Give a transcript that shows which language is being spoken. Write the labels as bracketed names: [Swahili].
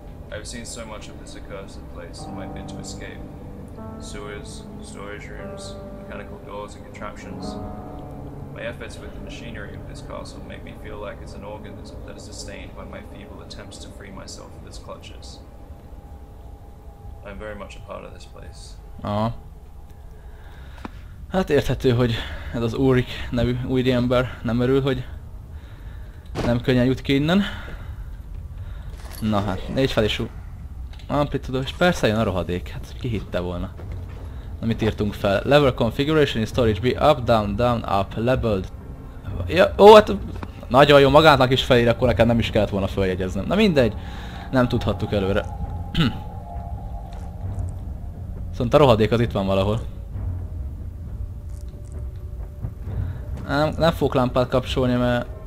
[English] I've seen so much of this accursed place and my bid to escape. Sewers, storage rooms, mechanical doors and contraptions. My efforts with the machinery of this castle make me feel like it's an organism that is sustained by my feeble attempts to free myself of its clutches. I'm very much a part of this place. Aha. [Hungarian] Hát érthető, hogy ez az Ulrich nevű úriember nem örül, hogy nem könnyen jut ki innen. Na hát, négy fel is amplitudó, és persze jön a rohadék, hát ki hitte volna. Na mit írtunk fel? [English] Level configuration in storage be up, down, down, up, leveled. [Hungarian] Ja, ó, hát nagyon jó, magának is felír, akkor nekem nem is kellett volna feljegyeznem. Na mindegy, nem tudhattuk előre. Viszont a rohadék az itt van valahol. Nem fogok lámpát kapcsolni, mert...